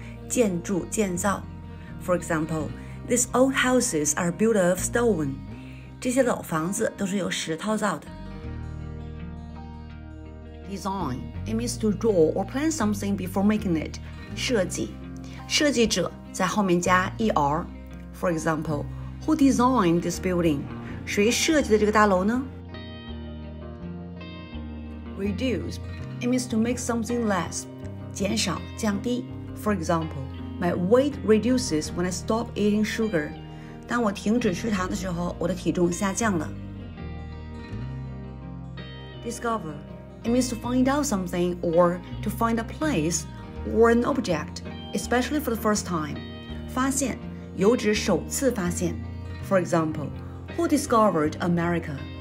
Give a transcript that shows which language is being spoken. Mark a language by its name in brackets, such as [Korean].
[English] 建筑建造 For example, these old houses are built of stone. [Chinese] 这些老房子都是由石头造的。 [English] Design. It means to draw or plan something before making it. 设计。 [Chinese] 设计者在后面加 [English] er. For example, who designed this building? [Chinese] 谁设计的这个大楼呢？ [English] Reduce. It means to make something less. 减少、降低。 For example, my weight reduces when I stop eating sugar. [Chinese] 当我停止吃糖的时候，我的体重下降了。 [English] Discover. It means to find out something or to find a place or an object, especially for the first time. [Chinese] 发现，有指首次发现。 [English] For example, who discovered America?